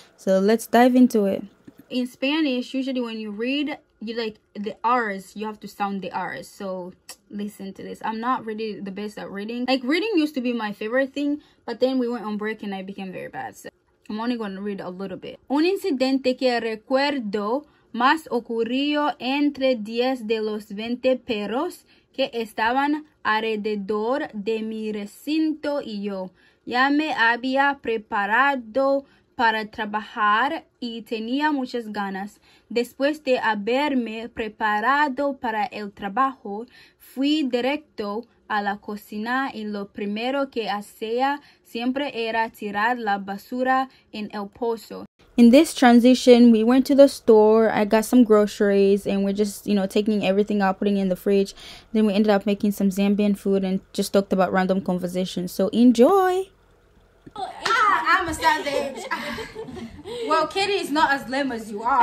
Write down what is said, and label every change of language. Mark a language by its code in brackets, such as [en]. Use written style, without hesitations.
[en] So let's dive into it. In Spanish, usually when you read, you like the R's, you have to sound the R's. So listen to this. I'm not really the best at reading. Like reading used to be my favorite thing, but then we went on break and I became very bad. So I'm only going to read a little bit. [es] Un incidente que recuerdo más ocurrió entre 10 de los 20 perros que estaban alrededor de mi recinto y yo. Ya me había preparado para trabajar y tenía muchas ganas. Después de haberme preparado para el trabajo, fui directo a la cocina y lo primero que hacía siempre era tirar la basura en el pozo. [en] In this transition, we went to the store, I got some groceries, and we're just, you know, taking everything out, putting it in the fridge. Then we ended up making some Zambian food and just talked about random conversations. So enjoy! I'm a savage. Well, Kitty is not as lame as you are.